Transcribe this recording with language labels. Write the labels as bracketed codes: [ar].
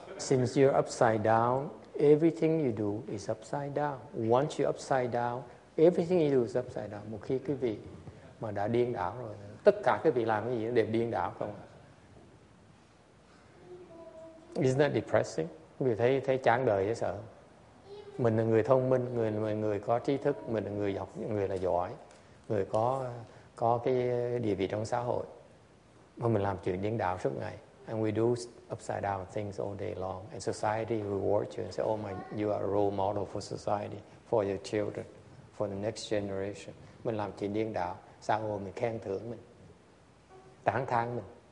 [en] Since you're upside down, everything you do is upside down. Once you're upside down, everything you do is upside down. [vi] Một khi quý vị mà đã điên đảo rồi, tất cả quý vị làm cái gì đều điên đảo không? [en] Isn't that depressing? [vi] Quý vị thấy chán đời hay sợ? Mình là người thông minh, người có trí thức, mình là người học, người là giỏi, người có cái địa vị trong xã hội. Mà mình làm chuyện điên đảo suốt ngày. [en] And we do upside down things all day long. And society rewards you and say, oh my, you are a role model for society, for your children, for the next generation. [vi] Mình làm chuyện điên đảo, xã hội mình khen thưởng mình, tán thán mình.